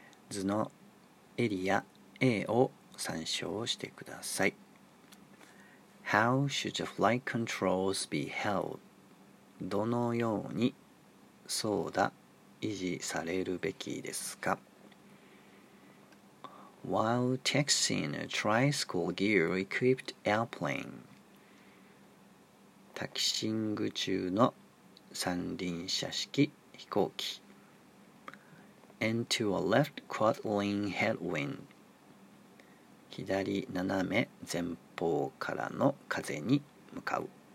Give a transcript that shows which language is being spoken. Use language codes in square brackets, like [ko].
[ja] 図のエリア A を参照してください。 [en] How should the flight controls be held? [ja] どのように操舵維持されるべきですか? [en] While taxiing a tricycle gear equipped airplane, [ja] タキシング中の三輪車式飛行機 [en] into a left quartering headwind, [ja] 左斜め前方からの風に向かう。